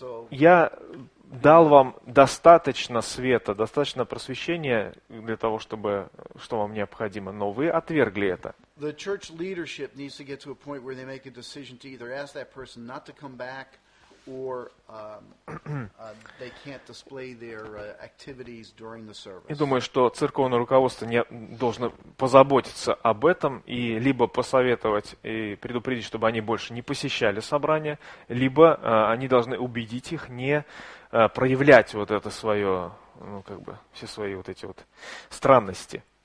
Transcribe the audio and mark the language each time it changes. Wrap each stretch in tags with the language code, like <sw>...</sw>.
<ru>Я дал вам достаточно света, достаточно просвещения для того, чтобы, что вам необходимо, но вы отвергли это.</ru> <en>The church leadership needs to get to a point where they make a decision to either ask that person not to come back, or they can't display their activities during the service.</en> <ru>Я думаю, что церковное руководство не должно позаботиться об этом и либо посоветовать и предупредить, чтобы они больше не посещали собрания, либо они должны убедить их не проявлять вот это свое, ну как бы все свои вот эти вот странности.</ru>